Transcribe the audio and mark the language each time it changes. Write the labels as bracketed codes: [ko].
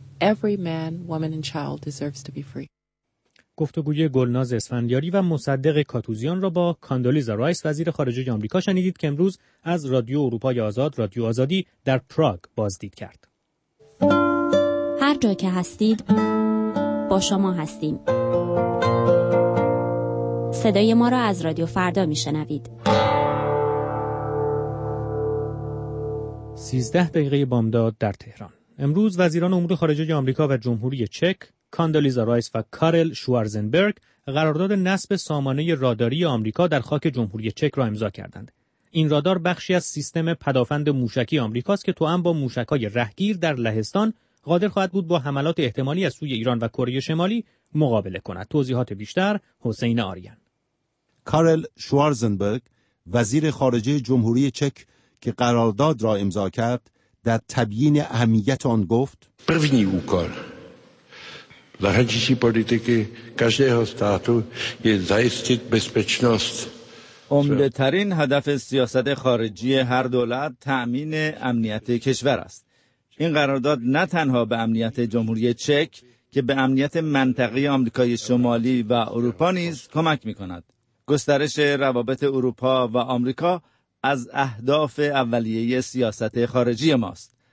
[en] Every man, woman and child deserves to be free. [fa] گفتگوی گلناز اسفندیاری و مصدق کاتوزیان را با کاندولیزا رایس وزیر خارجه آمریکا شنیدید که امروز از رادیو اروپای آزاد، رادیو آزادی در پراگ بازدید کرد. هر جا که هستید با شما هستیم. صدای ما را از رادیو فردا می شنوید. 13 دقیقه بامداد در تهران. امروز وزیران امور خارجه آمریکا و جمهوری چک، کاندولیزا رایس و کارل شوارزنبرگ، قرارداد نصب سامانه راداری آمریکا در خاک جمهوری چک را امضا کردند. این رادار بخشی از سیستم پدافند موشکی آمریکاست که توأم با موشک‌های رهگیر در لهستان قادر خواهد بود با حملات احتمالی از سوی ایران و کره شمالی مقابله کند. توضیحات بیشتر حسین آریان. کارل شوارزنبرگ وزیر خارجه جمهوری چک که قرارداد را امضا کرد، در تبیین اهمیت آن گفت: [cs] první úkol zahraniční politiky každého státu je zajistit bezpečnost. [fa] عمده‌ترین هدف سیاست خارجی هر دولت تأمین امنیت کشور است. این قرارداد نه تنها به امنیت جمهوری چک که به امنیت منطقه آمریکای شمالی و اروپا نیز کمک می‌کند. گسترش روابط اروپا و آمریکا از اهداف اولیه سیاست خارجی ماست.